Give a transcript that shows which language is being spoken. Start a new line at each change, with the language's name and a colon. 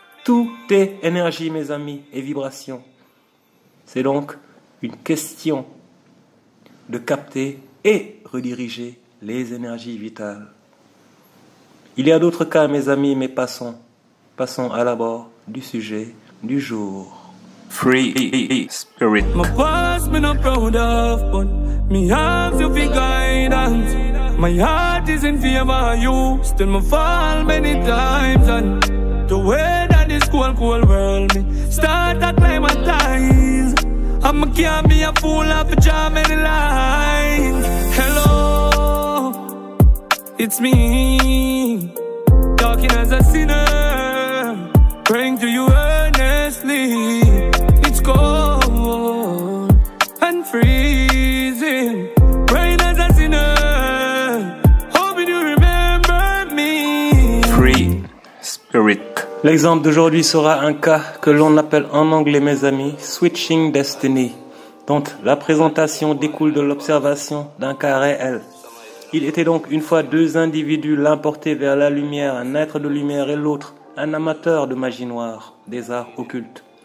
French: Tout est énergie, mes amis, et vibration. C'est donc une question de capter et rediriger les énergies vitales. Il y a d'autres cas, mes amis, mais passons. Passons à l'abord du sujet du jour.
English: Free spirit. My past me not proud of, but me have to be guidance. My heart is in favor of you, still me fall many times. And the way that this cold, cold world me start to climatize. And me can't be a fool of a jam many lines. Hello, it's me, talking as a sinner, praying to you earnestly. Cold and freezing, praying as a sinner, hoping you remember me. Free spirit.
French: L'exemple d'aujourd'hui sera un cas que l'on appelle en anglais, mes amis, switching destiny, dont la présentation découle de l'observation d'un cas réel. Il était donc une fois deux individus, l'un porté vers la lumière, un être de lumière, et l'autre un amateur de magie noire, des arts occultes.